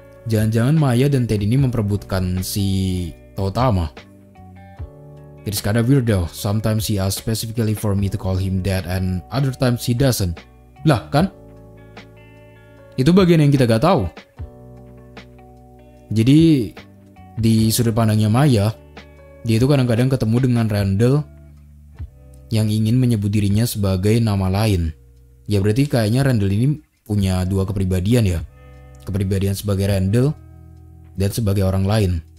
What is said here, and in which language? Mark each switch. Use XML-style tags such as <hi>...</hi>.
<id>Jangan-jangan Maya dan Ted ini memperebutkan si Totama.</id> <en>It is kinda weird though. Sometimes he asks specifically for me to call him that and other times he doesn't.</en> <id>Lah, kan? Itu bagian yang kita gak tahu. Jadi, di sudut pandangnya Maya, dia itu kadang-kadang ketemu dengan Randall yang ingin menyebut dirinya sebagai nama lain. Ya berarti kayaknya Randall ini punya dua kepribadian ya. Kepribadian sebagai Randall dan sebagai orang lain.</id>